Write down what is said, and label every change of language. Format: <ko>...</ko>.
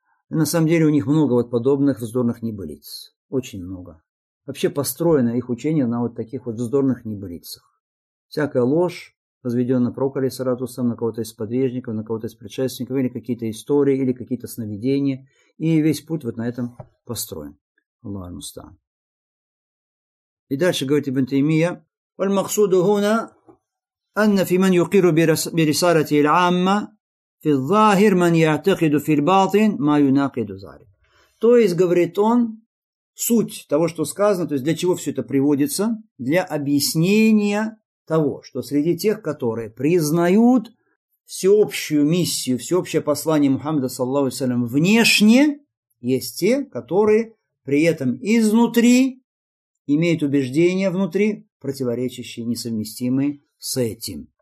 <ru>И на самом деле у них много вот подобных вздорных небылиц. Очень много. Вообще построено их учение на вот таких вот вздорных небылицах. Всякая ложь, возведенная на пророка, алейхиссалату вассалям, на кого-то из подвижников, на кого-то из предшественников, или какие-то истории, или какие-то сновидения. И весь путь вот на этом построен. Аллах аль-мустаан. И дальше говорит Ибн Таймия,</ru> <ar>والمقصود هنا أن في من يقر برسالة العامة في الظاهر من يعتقد في الباطن ما يناقض ذلك.</ar> <ru>То есть, говорит он, суть того, что сказано, то есть для чего все это приводится? Для объяснения того, что среди тех, которые признают всеобщую миссию, всеобщее послание Мухаммада, саллаллаху алейхи ва саллям, внешне, есть те, которые при этом изнутри имеют убеждения внутри, противоречащие, несовместимые с этим.</ru>